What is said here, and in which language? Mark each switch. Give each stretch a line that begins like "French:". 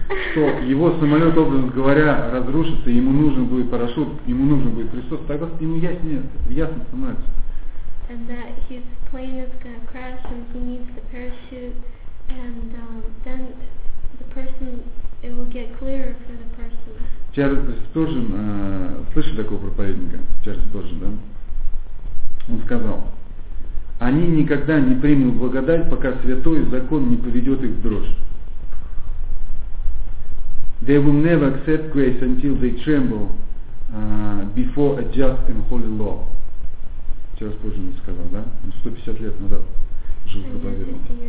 Russian: что его самолет, образно говоря, разрушится, ему нужен будет парашют, ему нужен будет Христос, тогда ему ясно становится.
English: And that his plane is gonna crash and he needs the parachute, and then the person, it will get clearer for the person.
Russian: Чарльз Спёрджен, слышали такого проповедника? Чарльз Спёрджен, да? Он сказал, они никогда не примут благодать, пока святой закон не поведет их в дрожь.
English: They will never accept grace until they tremble before a just and holy law.
Russian: Вчера позже он сказал, да? 150 лет назад жил в проповедовал.